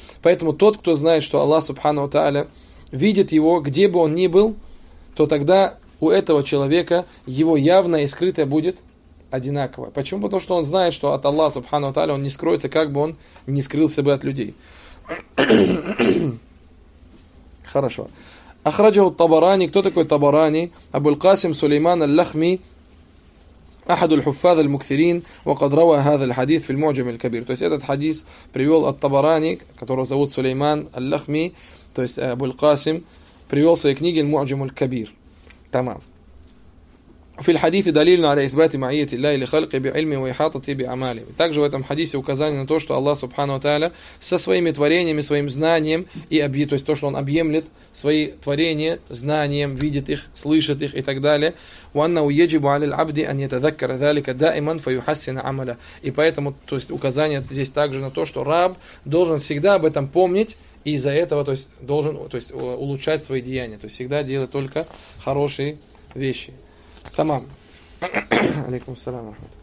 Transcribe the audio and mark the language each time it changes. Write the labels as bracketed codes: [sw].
[ru] Поэтому тот, кто знает, что Аллах субхана ва тааля видит его, где бы он ни был, то тогда у этого человека его явное и скрытое будет одинаково. Почему? Потому что он знает, что от Аллаха субхана ва тааля он не скроется, как бы он не скрылся бы от людей. Хорошо. Ахраджа ат-Табарани. Кто такой Табарани? Абуль-Касим Сулейман аль-Лахми [ar] أحد الحفاظ المكثرين وقد روى هذا الحديث في المعجم الكبير. [ru] То есть этот хадис привел الطبراني, которого зовут Сулейман Аллахми, то есть Абу Аль-Касим, привел в своей книге المعجم الكبير. Тамам. [ar] في الحديث دليل على إثبات معية الله لخلقه بعلمه وإحاطته بأعماله. [ru] Также в этом хадисе указание на то, что Аллах Субхану Тааля со своими творениями, своим знанием и объем, то есть то, что Он объемлет свои творения знанием, видит их, слышит их и так далее. [ar] وَأَنَّهُ يَجِبُ عَلَى الْعَبْدِ أَنْ يَتَذَكَّرَ ذَلِكَ دَائِمًا فَيُحَسِّنَ عَمَلًا. [ru] И поэтому, то есть указание здесь также на то, что раб должен всегда об этом помнить и из-за этого, то есть должен, то есть улучшать свои деяния, то есть всегда делать только хорошие вещи. Тамам. Алейкум ассалям.